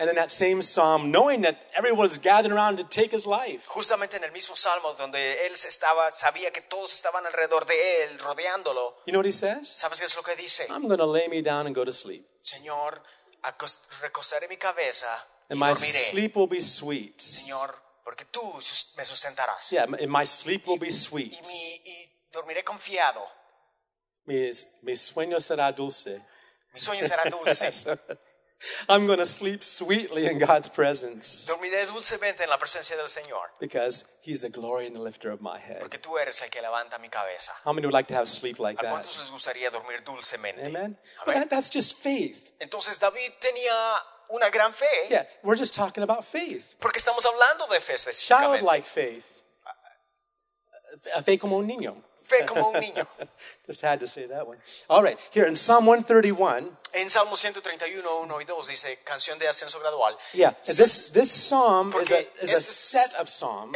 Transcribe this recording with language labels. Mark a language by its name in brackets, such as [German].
[English] And in that same psalm, knowing that everyone was gathered around to take his life. [Spanish] Justamente en el mismo salmo donde él estaba, sabía que todos estaban alrededor de él, rodeándolo. [English] You know what he says? [Spanish] ¿Sabes qué es lo que dice? [English] I'm going to lay me down and go to sleep. [Spanish] Señor, recostaré mi cabeza [English] and my [Spanish] dormiré. [English] Sleep will be sweet. [Spanish] Señor, porque tú me sustentarás. [English] Yeah, and my sleep will be sweet. [Spanish] Y dormiré confiado. Mi sueño será dulce. Mi sueño será dulce. [English] I'm going to sleep sweetly in God's presence. [Spanish] Dormiré dulcemente en la presencia del Señor. [English] Because he's the glory and the lifter of my head. [Spanish] Porque tú eres el que levanta mi cabeza. [English] How many would like to have sleep like that? [Spanish] ¿A cuántos les gustaría dormir dulcemente? [English] Amen. Well, that's just faith. [Spanish] Entonces David tenía una gran fe. [English] Yeah, we're just talking about faith. [Spanish] Porque estamos hablando de fe específicamente. [English] Childlike faith. [Spanish] Fe como un niño. Fe como un niño. [English] Just had to say that one. All right, here in Psalm 131. [Spanish] En Salmo 131, 1 y 2 dice, canción de ascenso gradual. [English] Yeah, this psalm is a set of psalms.